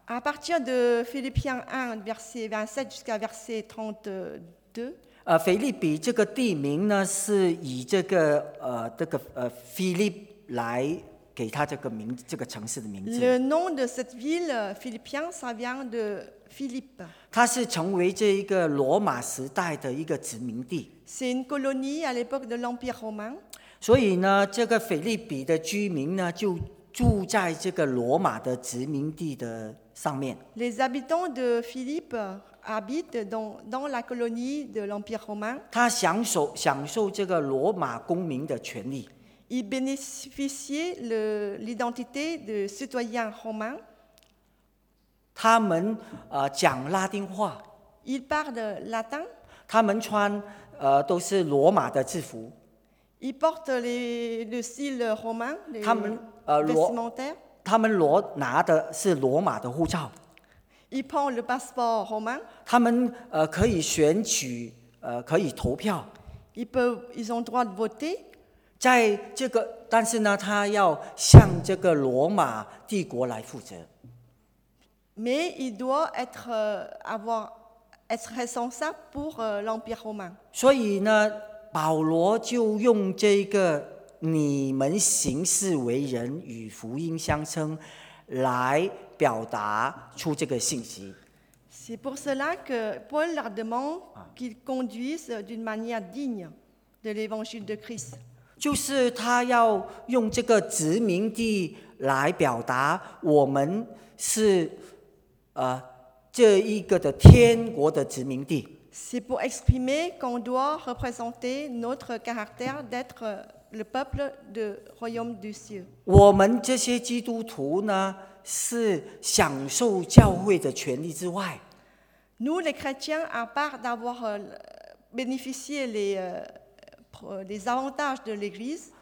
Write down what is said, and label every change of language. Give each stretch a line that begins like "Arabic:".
French: À partir de Philippiens 1, verset 27 jusqu'à verset 32.
Chinese: 腓立比这个地名呢，是以Philippe 来给他这个名，这个城市的名字。
French: Le nom de cette ville, Philippiens, ça vient de Philippe.
Chinese: 它是成为这一个罗马时代的一个殖民地。
French: C'est une colonie à l'époque de l'Empire romain.
Chinese: 所以呢，这个腓立比的居民呢，就住在这个罗马的殖民地的上面。
French: Les habitants de Philippe. Habite dans la colonie de l'Empire romain.
Chinese: 他享受这个罗马公民的权利。
French: Il bénéficiait l'identité de citoyen romain.
Chinese: 他们讲拉丁话。
French: Il parle latin.
Chinese: 他们穿都是罗马的制服。
French: Il porte le style romain.
Chinese: 他们
French: vestimentaire.
Chinese: 他们拿的是罗马的护照。
French: Il prend le passeport romain.
Chinese: 他们可以选举可以投票。
French: Ils ont droit de voter.
Chinese: 在这个，但是呢，他要向这个罗马帝国来负责。
French: Mais il doit être responsable pour l'Empire romain.
Chinese: 所以呢，保罗就用这个你们行事为人与福音相称来表达出这个信息。
French: C'est pour cela que Paul leur demande qu'ils conduisent d'une manière digne de l'évangile de Christ.
Chinese: 就是他要用这个殖民地来表达我们是这一个的天国的殖民地。
French: C'est pour exprimer qu'on doit représenter notre caractère d'être le peuple du royaume du ciel.
Chinese: 我们这些基督徒呢？是享受教会的权利之外。
French: Nous les chrétiens, à part d'avoir bénéficié les avantages de l'Église,